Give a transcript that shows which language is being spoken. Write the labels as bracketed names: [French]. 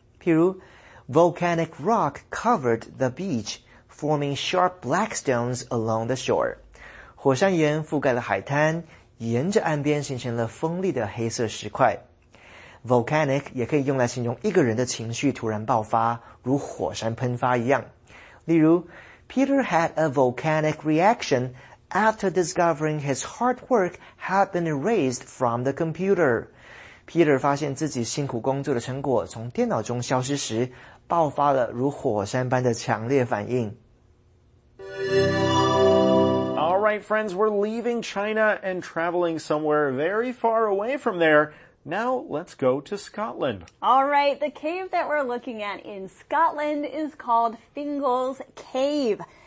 [Chinese] 譬如 [English] Volcanic rock covered the beach, forming sharp black stones along the shore. [Chinese] 火山岩覆盖了海滩，沿着岸边形成了锋利的黑色石块。 Volcanic 也可以用来形容一个人的情绪突然爆发，如火山喷发一样。例如 [English] Peter had a volcanic reaction after discovering his hard work had been erased from the computer. [Chinese] Peter 发现自己辛苦工作的成果从电脑中消失时，爆发了如火山般的强烈反应。 [English] Alright, friends, we're leaving China and traveling somewhere very far away from there. Now, let's go to Scotland. Alright, the cave that we're looking at in Scotland is called Fingal's Cave.